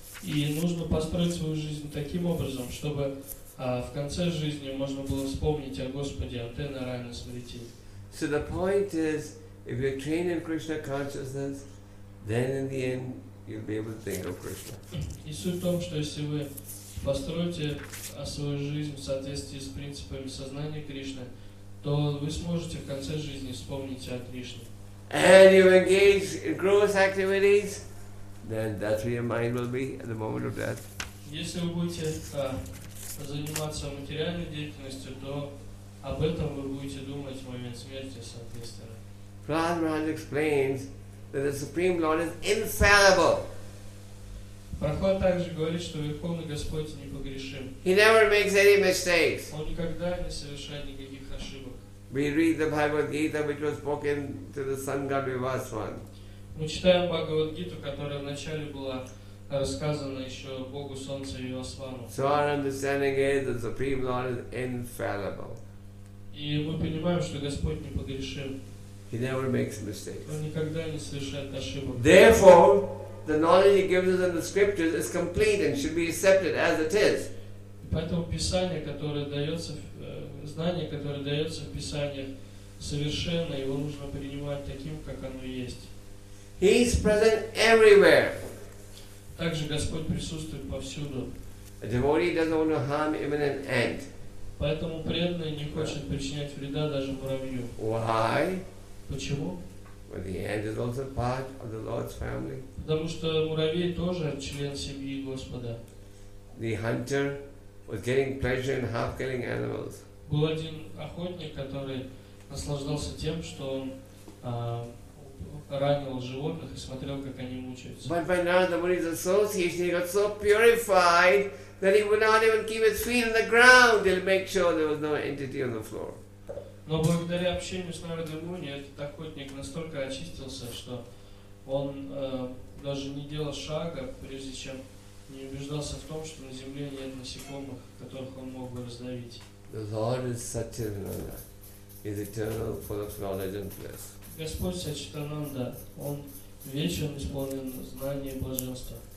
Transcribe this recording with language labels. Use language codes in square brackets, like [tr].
[ru] И нужно построить свою жизнь таким образом, чтобы в конце жизни можно было вспомнить о Господе, антенна райна смотрите. [en] So the point is, if you train in Krishna consciousness, then in the end you'll be able to think of Krishna. [ru] И суть в том, что если вы построите свою жизнь в соответствии с принципами сознания Кришны, то вы сможете в конце жизни вспомнить о Кришне. [en] And you engage in gross activities, then that's where your mind will be at the moment of death. [ru] Если вы будете заниматься материальной деятельностью, то об этом вы будете думать в момент смерти, соответственно. [en] Prahlad Maharaj explains that the Supreme Lord is infallible. [ru] Прохлад также говорит, что Верховный Господь непогрешим. [en] He never makes any mistakes. [ru] Он никогда не совершает никаких ошибок. [en] We read the Bhagavad Gita, which was spoken to the Sangha Vivaswan. [ru] Мы читаем Бхагавад Гиту, которая вначале была рассказано еще Богу Солнце и Асвану. [en] So our understanding is the Supreme Lord is infallible. [ru] И мы понимаем, что Господь непогрешим. [en] He never makes mistakes. [ru] Он никогда не совершает ошибок. [en] Therefore, the knowledge He gives us in the Scriptures is complete and should be accepted as it is. [ru] Поэтому Писание, которое дается, знание, которое дается в Писаниях, совершенно, его нужно принимать таким, как оно есть. [en] He is present everywhere. [ru] Также Господь присутствует повсюду. [en] A devotee doesn't want to harm even an ant. [ru] Поэтому преданный не хочет причинять вреда даже муравью. [en] Why? [ru] Почему? [en] Well, the ant is also part of the Lord's family. [ru] Потому что муравей тоже член семьи Господа. [en] The hunter was getting pleasure in half killing animals. [ru] Был один охотник, который наслаждался тем, что он ранил животных и смотрел, как они мучаются. [en] But by now the Muni's association, he got so purified that he would not even keep his feet on the ground. He'll make sure there was no entity on the floor. [ru] Но благодаря общению с Народом Муни, этот охотник настолько очистился, что он даже не делал шага, прежде чем не убеждался в том, что на земле нет насекомых, которых он мог бы раздавить. [en] The Lord is Satchitananda, is eternal, full of knowledge and bliss. [ru] Господь Сачитананда, Он вечен, исполнен знания и блаженства.